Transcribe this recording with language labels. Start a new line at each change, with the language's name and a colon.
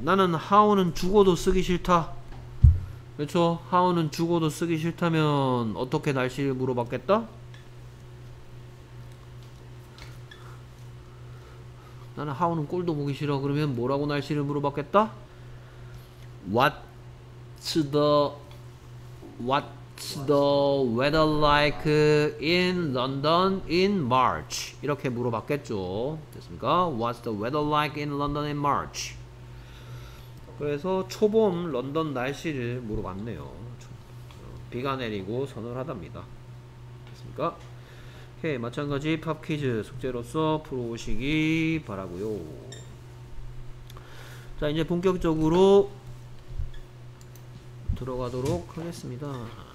Korean: 나는 how는 죽어도 쓰기 싫다. 그렇죠. how는 죽어도 쓰기 싫다면 어떻게 날씨를 물어봤겠다? 나는 how는 꼴도 보기 싫어. 그러면 뭐라고 날씨를 물어봤겠다?
English: What's the weather like in London in March?
Korean: 이렇게 물어봤겠죠. 됐습니까?
English: What's the weather like in London in March?
Korean: 그래서 초봄 런던 날씨를 물어봤네요. 비가 내리고 서늘하답니다. 됐습니까? 오케이. 마찬가지 팝퀴즈 숙제로서 풀어보시기 바라고요. 자, 이제 본격적으로 들어가도록 하겠습니다.